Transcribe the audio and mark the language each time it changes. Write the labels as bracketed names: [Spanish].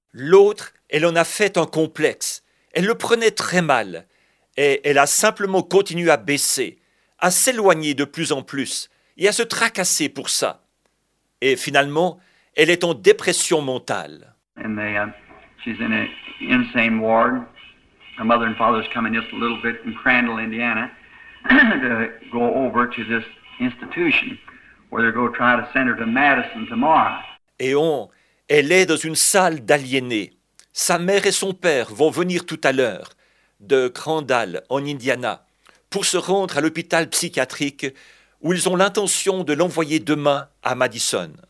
[French] L'autre, elle en a fait un complexe. Elle le prenait très mal et elle a simplement continué à baisser, à s'éloigner de plus en plus et à se tracasser pour ça. Et finalement, elle est en dépression mentale. [English] And they, she's in an insane ward. Her mother and father's coming just a little bit in Crandall, Indiana, to go over to this institution where they're going to try to send her to Madison tomorrow. [French] Et on, elle est dans une salle d'aliénés. Sa mère et son père vont venir tout à l'heure de Crandall, en Indiana, pour se rendre à l'hôpital psychiatrique où ils ont l'intention de l'envoyer demain à Madison.